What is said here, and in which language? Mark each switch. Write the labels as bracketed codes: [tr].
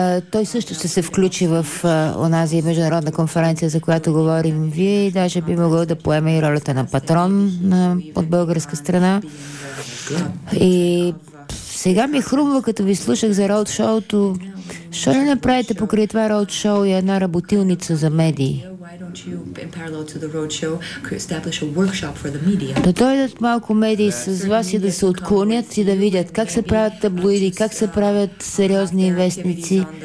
[bg] Той също ще се включи в онази международна конференция, за която говорим вие, и даже би могъл да поеме и ролята на патрон от българска страна. И сега ми хрумва, като ви слушах за роудшоуто, що не направите покрай това роудшоу и една работилница за медии? [en] In parallel to the roadshow, establish a workshop for the media. [bg] Да дойдат малко медии с вас и да се отклонят и да видят как се правят таблоиди, как се правят сериозни вестници.